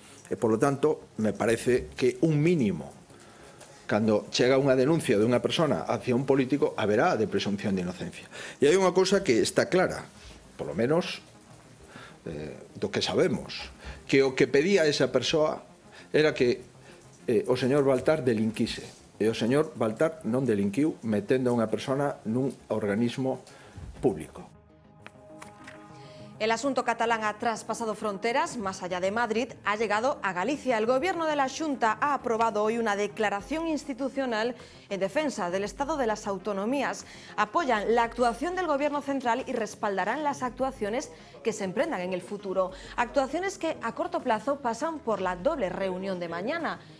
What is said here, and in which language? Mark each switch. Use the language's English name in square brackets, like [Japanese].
[Spanish] E, por lo tanto, me parece que un mínimo, cuando llega una denuncia de una persona hacia un político, haberá de presunción de inocencia. Y hay una cosa que está clara, por lo menos lo que sabemos, que lo que pedía esa persona era que o señor Baltar delinquise. [Galician] E o señor Baltar non delinquiu metendo a unha persona nun organismo público. [Spanish] El asunto catalán ha traspasado fronteras, más allá de Madrid, ha llegado a Galicia. El Gobierno de la Xunta ha aprobado hoy una declaración institucional en defensa del Estado de las Autonomías. Apoyan la actuación del Gobierno central y respaldarán las actuaciones que se emprendan en el futuro. Actuaciones que a corto plazo pasan por la doble reunión de mañana.